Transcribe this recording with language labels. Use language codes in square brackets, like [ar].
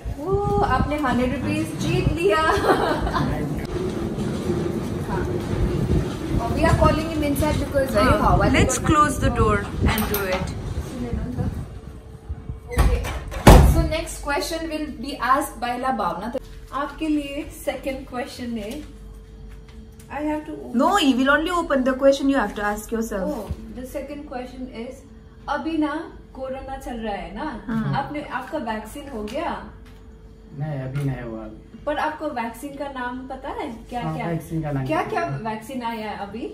[hi] ओ आपने 100 rupees जीत लिया [en] we are calling him inside because very hot let's close the door and do it so next question will be asked by ला भावना [hi] तो आपके लिए second question है [en] No, you will only open the question you have to ask yourself. Oh, the second question is, [hi] अभी ना corona चल रहा है ना आपने आपका वैक्सीन हो गया नहीं अभी नहीं हुआ पर आपको वैक्सीन का नाम पता है क्या क्या वैक्सीन का नाम क्या क्या वैक्सीन आया है अभी